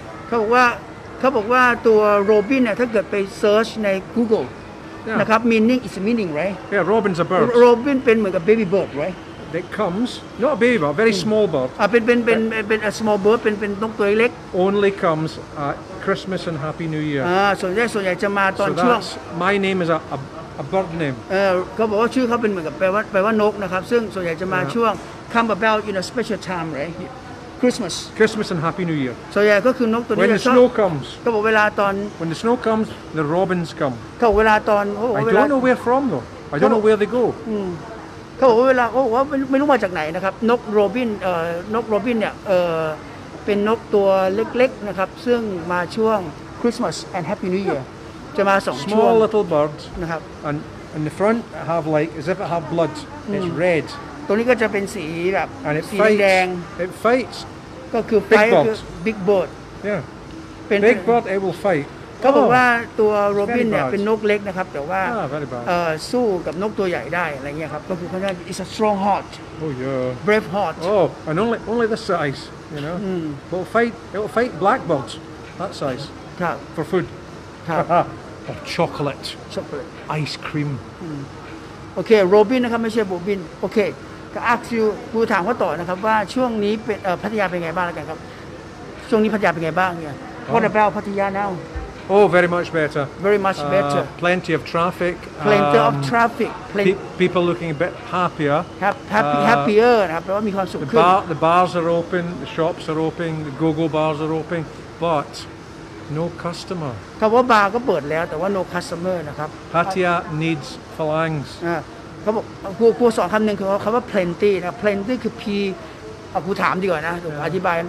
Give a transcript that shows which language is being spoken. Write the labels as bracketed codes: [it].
[th] เขาบอกว่าตัว Robin เนี่ยถ้าเกิดไป search ใน Google [en] Yeah. นะครับ meaning is meaning right yeah robin's a bird [th] robin เป็นเหมือนกับ [en] baby bird right that comes not a baby bird very small bird [th] เป็น [en] a small bird [th] เป็นนกตัวเล็ก [en] only comes at christmas and happy new year [th] ส่วนใหญ่จะมาตอนช่วง [en] my name is a bird name [th] ก็บอกว่าชื่อเขาเป็นเหมือนกับแปลว่านกนะครับซึ่งส่วนใหญ่จะมา yeah. ช่วง [en] come about in a special time right Christmas and Happy New Year. [th] So yeah, ก็คือนกตัวนี้ [en] When the snow comes. [th] ก็บอกเวลาตอน [en] When the snow comes, the robins come. [th] ก็เวลาตอน [en] I don't know where from though. I don't know where they go. [th] ก็บอกเวลาไม่รู้มาจากไหนนะครับนกโรบินนกโรบินเนี่ยเป็นนกตัวเล็กๆนะครับซึ่งมาช่วง [en] Christmas and Happy New Year. [th] จะมาสองช่วง [en] Small little birds. [th] นะครับ [en] And in the front have like as if it have blood. It's red. [th] ตัวนี้ก็จะเป็นสีแบบสีแดง [en] it fights [th] ก็คือ fight คือ [en] big bird yeah เป็น big bird it will fight [th] ก็บอกว่าตัวโรบินเนี่ยเป็นนกเล็กนะครับแต่ว่าสู้กับนกตัวใหญ่ได้อะไรเงี้ยครับก็คือค่อนข้าง [en] it's a strong heart oh yeah brave heart oh and only this size you know but it will fight black birds that size [th] ครับ [en] for food [th] ครับ [en] chocolate ice cream [th] โอเคโรบินนะครับไม่ใช่โบบินโอเคก็อาร์คิวกูถามว่าต่อนะครับว่าช่วงนี้เป็นพัทยาเป็นไงบ้างแล้วกันครับช่วงนี้พัทยาเป็นไงบ้างเนี่ย [en] What about Pattaya now Oh very much better Very much better Plenty of traffic Plenty of traffic People looking a bit happier [th] happier นะครับแปลว่ามีความสุขขึ้น [en] The bars are open the shops are open the go-go bars are open butNo customer. [th] คำว่าบาร์ก็เปิดแล้วแต่ว่า [en] no customer [th] นะครับ [en] Pattaya needs phalanx. [th] เขาบอกครูสอนคำหนึ่งคำว่า plenty นะ plenty คือ p ครูถามดีกว่านะอธิบาย